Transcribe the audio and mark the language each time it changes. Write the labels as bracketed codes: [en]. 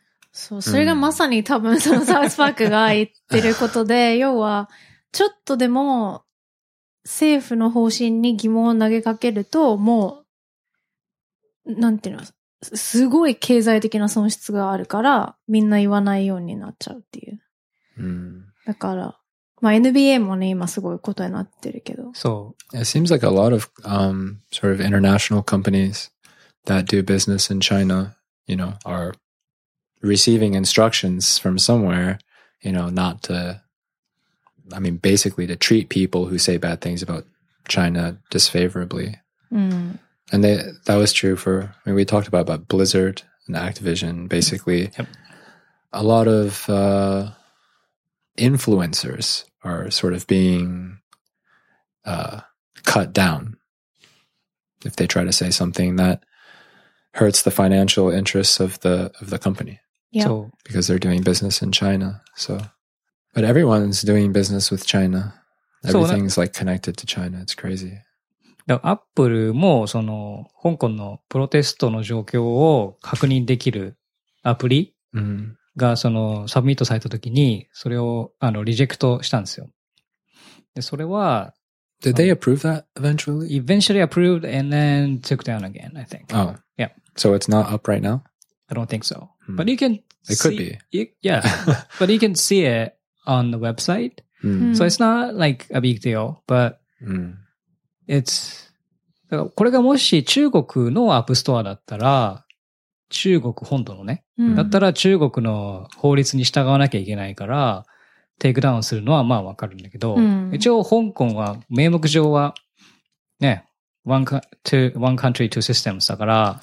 [ja] そう、それがまさに多分そのサウスパークが言ってることで、要は、ちょっとでも政府の方針に疑問を投げかけると、もう、なんていうの、すごい経済的な損失があるから、みんな言わないようになっちゃうっていう。うん、だから、まあ、NBA もね、今すごいことになってるけど。そう。 [en] It seems like a lot of, sort of international companies that do business in China, you know, are receiving instructions from somewhere, you know, not to, I mean, basically to treat people who say bad things about China disfavorably. Mm. And that was true for, I mean, we talked about Blizzard and Activision, basically. Yep. A lot of, influencers are sort of being cut down if they try to say something that hurts the financial interests of the company. Yeah. So, because they're doing business in China. So, but everyone's doing business with China. Everything's like connected to China. It's crazy. [ja] Apple もその香港のプロテストの状況を確認できるアプリ。 Mm-hmm. がそのサブミットされたときにそれをあのリジェクトしたんですよ。でそれは [en] Did they approve that eventually? Eventually approved and then took down again, I think. Oh. Yeah. So it's not up right now? I don't think so.、Hmm. But you can see, It could be. Yeah. But you can see it on the website.、 Hmm. So it's not like a big deal, but、 hmm. it's... [ja] これがもし中国のアップストアだったら中国本土のね、うん。だったら中国の法律に従わなきゃいけないから、テイクダウンするのはまあわかるんだけど、うん、一応香港は名目上は、ね、 [en] one country, two systems [ja] だから、